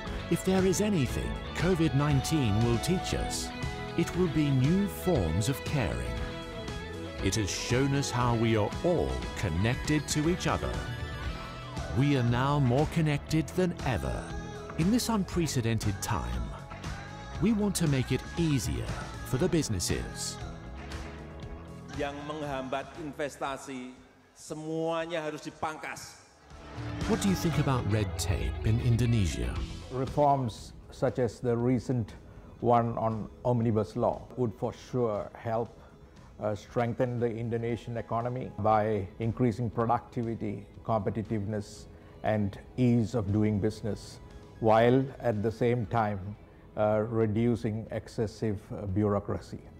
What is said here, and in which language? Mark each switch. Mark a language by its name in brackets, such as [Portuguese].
[English] If there is anything COVID-19 will teach us, it will be new forms of caring. It has shown us how we are all connected to each other. We are now more connected than ever. In this unprecedented time, we want to make it easier for the businesses. [Indonesian] Yang menghambat investasi, semuanya harus dipangkas. [English] What do you think about red tape in Indonesia? Reforms such as the recent one on omnibus law would for sure help strengthen the Indonesian economy by increasing productivity, competitiveness, and ease of doing business, while at the same time reducing excessive bureaucracy.